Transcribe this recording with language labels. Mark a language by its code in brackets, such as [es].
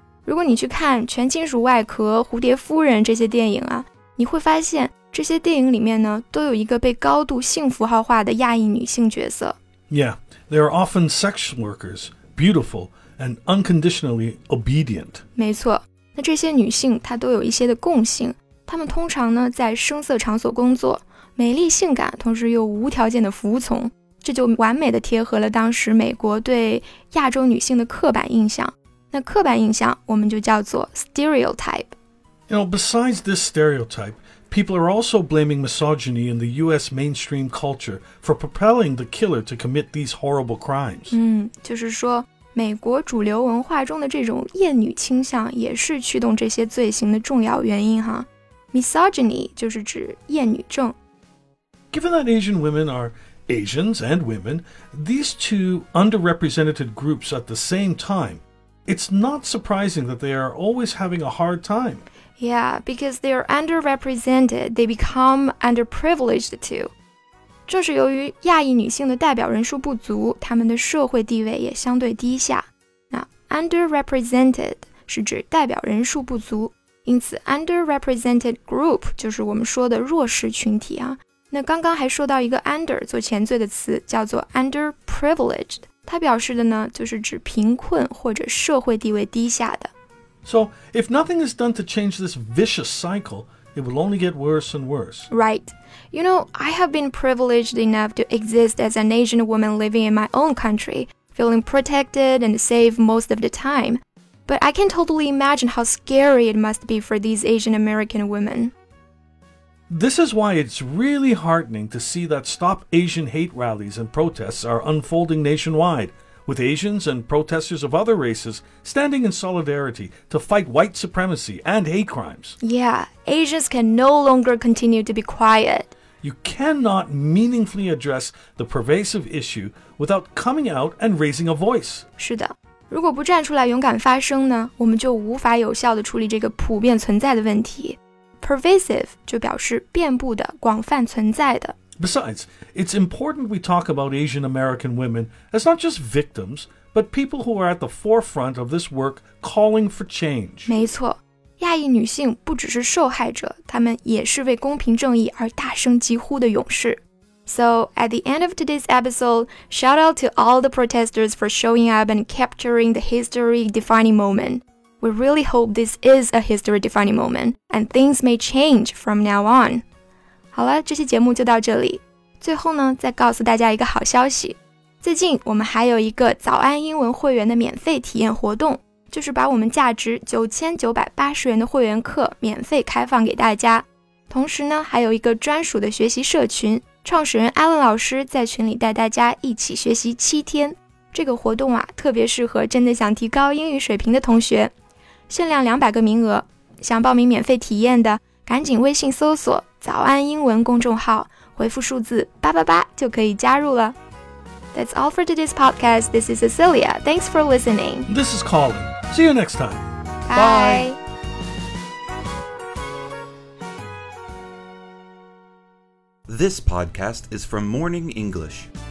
[zh] 如果你去看《全金属外壳》《蝴蝶夫人》这些电影啊，你会发现这些电影里面呢，都有一个被高度性符号化的亚裔女性角色。 [en] Yeah, they are often sex workers, beautiful and unconditionally obedient. [zh] 没错，那这些女性她都有一些的共性。她们通常呢在声色场所工作，美丽性感，同时又无条件的服从，这就完美的贴合了当时美国对亚洲女性的刻板印象。那刻板印象我们就叫做 stereotype。 [en] You know, besides this stereotype, people are also blaming misogyny in the U.S. mainstream culture for propelling the killer to commit these horrible crimes. [zh] 就是说，美国主流文化中的这种厌女倾向也是驱动这些罪行的重要原因哈。 Misogyny 就是指厌女症。 [en] Given that Asian women are Asians and women, these two underrepresented groups at the same time, it's not surprising that they are always having a hard time. Yeah, because they are underrepresented, they become underprivileged too. [zh] 正是由于亚裔女性的代表人数不足，她们的社会地位也相对低下。那 underrepresented 是指代表人数不足。因此 underrepresented group 就是我们说的弱势群体啊。那刚刚还说到一个 under 做前缀的词叫做 underprivileged， 它表示的呢就是指贫困或者社会地位低下的。 [en] So if nothing is done to change this vicious cycle, it will only get worse and worse. Right. You know, I have been privileged enough to exist as an Asian woman living in my own country, feeling protected and safe most of the time. But I can totally imagine how scary it must be for these Asian American women. This is why it's really heartening to see that Stop Asian Hate rallies and protests are unfolding nationwide, with Asians and protesters of other races standing in solidarity to fight white supremacy and hate crimes. Yeah, Asians can no longer continue to be quiet. You cannot meaningfully address the pervasive issue without coming out and raising a voice. [zh] 是的。如果不站出来勇敢发声呢，我们就无法有效地处理这个普遍存在的问题。 Pervasive 就表示遍布的、广泛存在的。 [en] Besides, it's important we talk about Asian American women as not just victims, but people who are at the forefront of this work calling for change. [zh] 没错，亚裔女性不只是受害者，她们也是为公平正义而大声疾呼的勇士。 [en] So, at the end of today's episode, shout out to all the protesters for showing up and capturing the history-defining moment. We really hope this is a history-defining moment, and things may change from now on. [zh] 好了，这期节目就到这里。最后呢，再告诉大家一个好消息。最近我们还有一个早安英文会员的免费体验活动，就是把我们价值9980元的会员课免费开放给大家。同时呢，还有一个专属的学习社群。创始人 Alan 老师在群里带大家一起学习7天。这个活动啊，特别适合真的想提高英语水平的同学。限量200个名额，想报名免费体验的，赶紧微信搜索早安英文公众号，回复数字888就可以加入了。 [en] That's all for today's podcast. This is Cecilia. Thanks for listening. This is Colin. See you next time. Bye. Bye. This podcast is from Morning English.